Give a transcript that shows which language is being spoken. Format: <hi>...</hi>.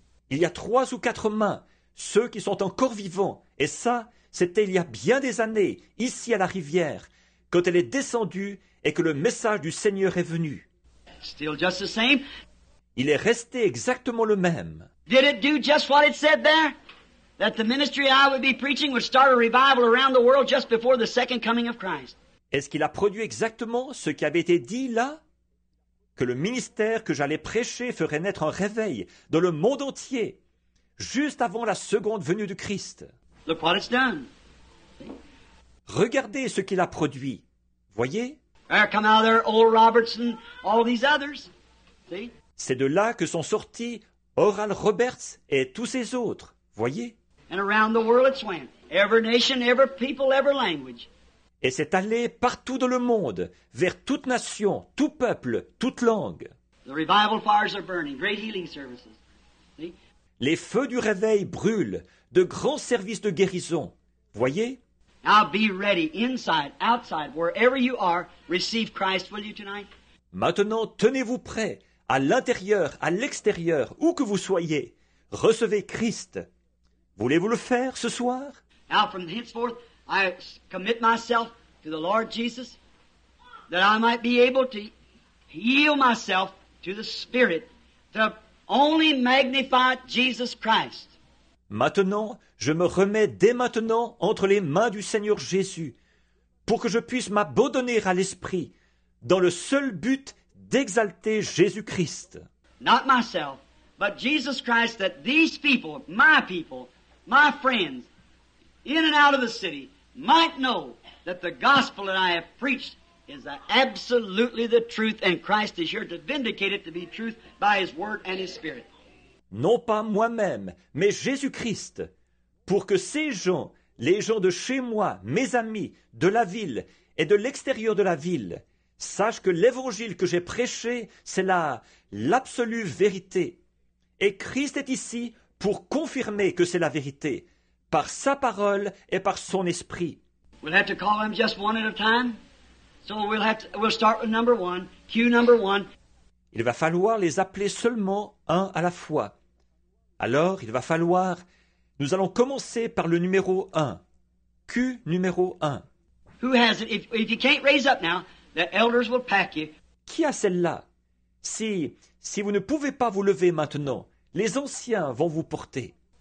<fr>Il y a trois ou quatre mains, ceux qui sont encore vivants, et ça, c'était il y a bien des années, ici à la rivière, quand elle est descendue et que le message du Seigneur est venu.</fr> <en>Still just the same.</en> <fr>Il est resté exactement le même.</fr> <en>Did it do just what it said there? That the ministry I would be preaching would start a revival around the world just before the second coming of Christ.</en> <fr>Est-ce qu'il a produit exactement ce qui avait été dit là? Que le ministère que j'allais prêcher ferait naître un réveil dans le monde entier, juste avant la seconde venue du Christ.</fr> <en>Look what it's done.</en> <fr>Regardez ce qu'il a produit. Voyez?</fr> <en>There come out of there Oral Roberts and all these others. See?</en> <fr>C'est de là que sont sortis Oral Roberts et tous ces autres. Voyez?</fr> <en>And around the world it's went. Every nation, every people, every language.</en> <fr>Et c'est allé partout dans le monde, vers toute nation, tout peuple, toute langue.</fr> <en>The revival fires are burning, great healing services. See?</en> <fr>Les feux du réveil brûlent, de grands services de guérison. Voyez?</fr> <en>Now be ready, inside, outside, wherever you are, receive Christ, will you tonight?</en> <fr>Maintenant, tenez-vous prêt, à l'intérieur, à l'extérieur, où que vous soyez. Recevez Christ. Voulez-vous le faire ce soir?</fr> <en>Now from henceforth, I commit myself to the Lord Jesus, that I might be able to yield myself to the Spirit, to only magnify Jesus Christ.</en> <fr>Maintenant, je me remets dès maintenant entre les mains du Seigneur Jésus, pour que je puisse m'abandonner à l'Esprit, dans le seul but d'exalter Jésus Christ.</fr> <en>Not myself, but Jesus Christ, that these people, my friends, in and out of the city, might know that the gospel that I have preached is absolutely the truth, and Christ is here to vindicate it to be truth by His Word and His Spirit.</en> <fr>Non pas moi-même, mais Jésus-Christ, pour que ces gens, les gens de chez moi, mes amis, de la ville et de l'extérieur de la ville, sachent que l'évangile que j'ai prêché, c'est l'absolue vérité. Et Christ est ici pour confirmer que c'est la vérité, par sa parole et par son esprit.</fr> <en>We'll have to call them just one at a time. So we'll start with number one, cue number one.</en> <fr>Il va falloir les appeler seulement un à la fois. Alors, il va falloir... Nous allons commencer par le numéro 1. Q numéro 1.</fr> <en>Who has it? If you can't raise up now, the elders will pack you.</en> <fr>Qui a celle-là? Si vous ne pouvez pas vous lever maintenant, les anciens vont vous porter.</fr>